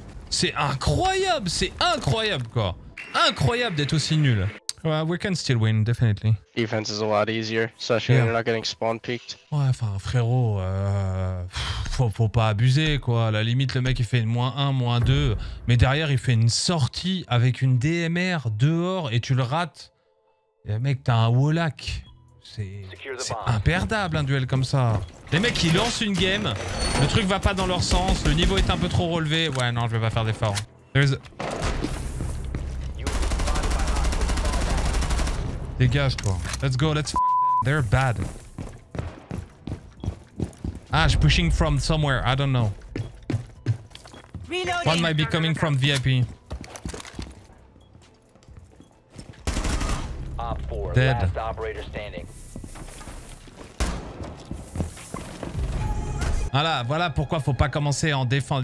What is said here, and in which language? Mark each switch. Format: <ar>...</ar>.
<fr>C'est incroyable, quoi. Incroyable d'être aussi nul.</fr> <en>Well, we can still win, definitely. Defense is a lot easier, especially when you're not getting spawn peaked.</en> <fr>Ouais, enfin, frérot, faut pas abuser, quoi. À la limite, le mec, il fait une moins 1, moins 2. Mais derrière, il fait une sortie avec une DMR dehors et tu le rates. Et mec, t'as un wallack. C'est imperdable, un duel comme ça. Les mecs, ils lancent une game. Le truc va pas dans leur sens. Le niveau est un peu trop relevé. Ouais, non, je vais pas faire d'effort. Dégage, toi.</fr> <en>Let's go, let's f*** them. They're bad.</en> <fr>Ah, je suis</fr> <en>pushing from somewhere. I don't know. Reloading. One might be coming from VIP. Dead. Last operator standing.</en> <fr>Voilà, voilà pourquoi faut pas commencer en défense.</fr>